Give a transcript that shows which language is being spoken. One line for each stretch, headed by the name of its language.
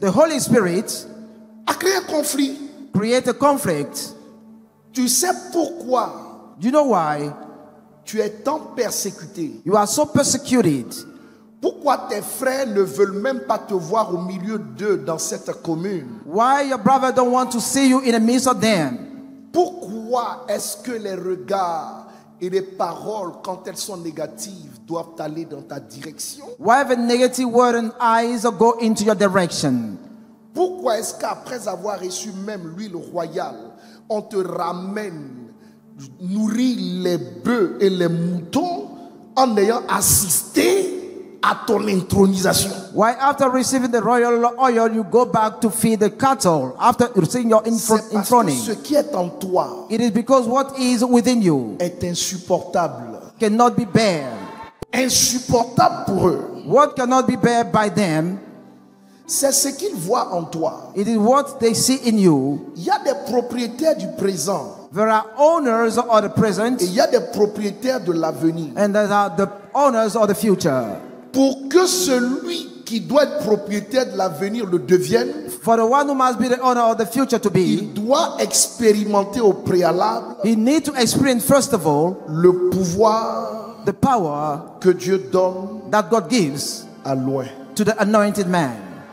English: the Holy Spirit,
French: a créé un conflit.
English: Create a conflict.
French: Tu sais pourquoi?
English: Do you know why?
French: Tu es tant persécuté.
English: You are so persecuted.
French: Pourquoi tes frères ne veulent même pas te voir au milieu d'eux dans cette commune?
English: Why your brother don't want to see you in the midst of them?
French: Pourquoi est-ce que les regards et les paroles, quand elles sont négatives, doivent aller dans ta direction?
English: Why the negative word and eyes go into your direction?
French: Pourquoi est-ce qu'après avoir reçu même l'huile royale, on te ramène nourrir les bœufs et les moutons en ayant assisté à ton intronisation?
English: Why after receiving the royal oil you go back to feed the cattle after receiving your enthroning?
French: Ce qui est en toi,
English: it is because what is within you,
French: est insupportable,
English: cannot be bear,
French: insupportable pour eux.
English: What cannot be bear by them,
French: c'est ce qu'ils voient en toi.
English: It is what they see in you.
French: Il y a des propriétaires du présent.
English: There are owners of the present.
French: Et il y a des propriétaires de l'avenir.
English: And there are the owners of the future.
French: Pour que celui qui doit être propriétaire de l'avenir le devienne,
English: for the one who must be the owner of the future to be,
French: il doit expérimenter au préalable,
English: he need to experience first of all,
French: le pouvoir,
English: the power,
French: que Dieu donne,
English: that God gives,
French: à l'oint,
English: to the anointed man.